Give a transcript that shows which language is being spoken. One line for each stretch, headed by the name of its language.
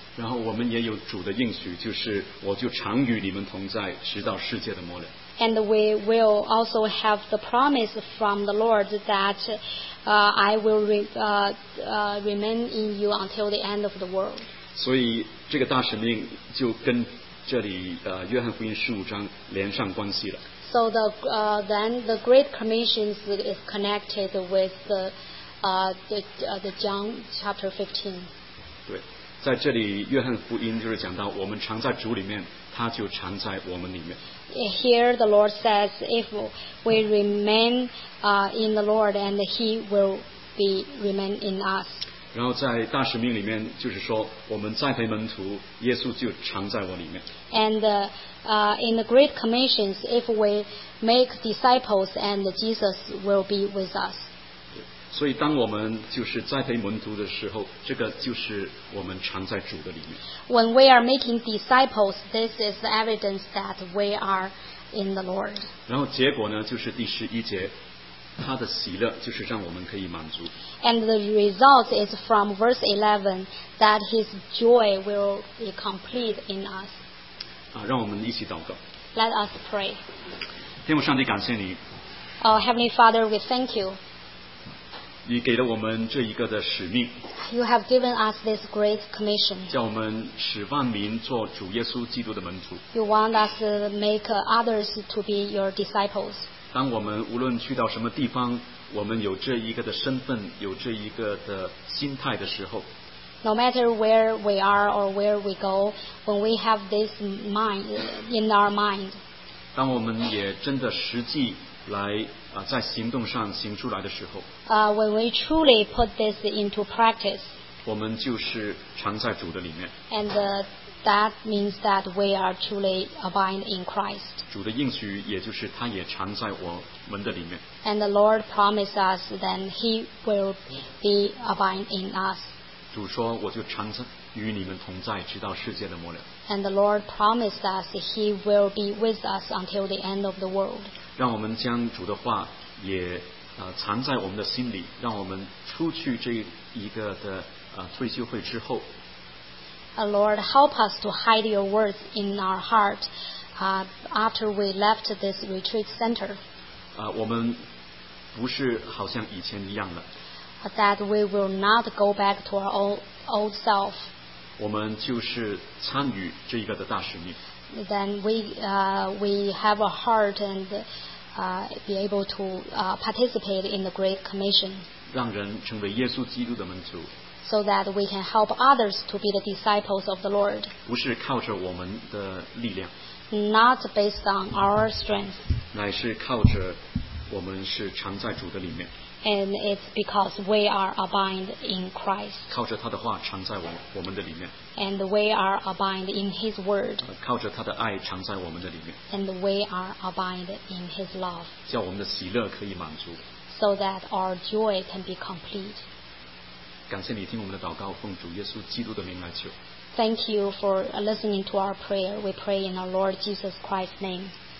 Chinese: 然后我们也有主的应许, 就是我就常与你们同在, 直到世界的末了。
English: And we will also have the promise from the Lord that I will remain in you until the end of the world.
Chinese: 所以这个大使命就跟这里, 约翰福音15章连上关系了。
English: So the, then the Great Commission is connected with the John chapter 15.
Chinese: 对, 在这里, 约翰福音就是讲到我们常在主里面, 他就常在我们里面。
English: Here the Lord says, if we remain in the Lord, and he will be remain in us.
Chinese: 然后在大使命里面, 就是说, 我们栽培门徒, 耶稣就常在我里面。
English: And in the Great Commission, if we make disciples, and Jesus will be with us.
Chinese: 所以当我们就是栽培门徒的时候, 这个就是我们常在主的里面。
English: When we are making disciples, this is the evidence that we are in the Lord.
Chinese: 然后结果呢, 就是第11节, 他的喜乐就是让我们可以满足。
English: And the result is from verse 11, that his joy will be complete in us.
Chinese: 让我们一起祷告。
English: Let us pray.
Chinese: 天父上帝感谢你。
English: Heavenly Father, we thank you.
Chinese: 你给了我们这一个的使命。
English: You have given us this great commission.
Chinese: 叫我们使万民做主耶稣基督的门徒。
English: You want us to make others to be your disciples.
Chinese: 当我们无论去到什么地方，我们有这一个的身份，有这一个的心态的时候。
English: No matter where we are or where we go, when we have this mind in our mind.
Chinese: 当我们也真的实际来在行动上行出来的时候
English: when we truly put this into practice,
Chinese: 我们就是常在主的里面
English: and that means that we are truly abide in Christ.
Chinese: 主的应许也就是他也常在我们的里面
English: and the Lord promised us that he will be abide in us.
Chinese: 主说我就常在与你们同在直到世界的末了
English: and the Lord promised us he will be with us until the end of the world.
Chinese: 让我们将主的话也藏在我们的心里，让我们出去这一个的退休会之后。
English: Lord, help us to hide your words in our heart, after we left this retreat center.
Chinese: 我们不是好像以前一样了。
English: That we will not go back to our old self.
Chinese: 我们就是参与这一个的大使命。
English: Then we have a heart and be able to participate in the Great Commission.
Chinese: 让人成为耶稣基督的门徒。
English: So that we can help others to be the disciples of the Lord.
Chinese: 不是靠着我们的力量。
English: Not based on our strength.
Chinese: 乃是靠着我们是常在主的里面。
English: And it's because we are abide in Christ.
Chinese: 靠着他的话藏在我们的里面。
English: And we are abide in His word.
Chinese: 靠着他的爱藏在我们的里面。
English: And we are abide in His love.
Chinese: 叫我们的喜乐可以满足。
English: So that our joy can be complete.
Chinese: 感谢你听我们的祷告，奉主耶稣基督的名来求。
English: Thank you for listening to our prayer. We pray in our Lord Jesus Christ's name.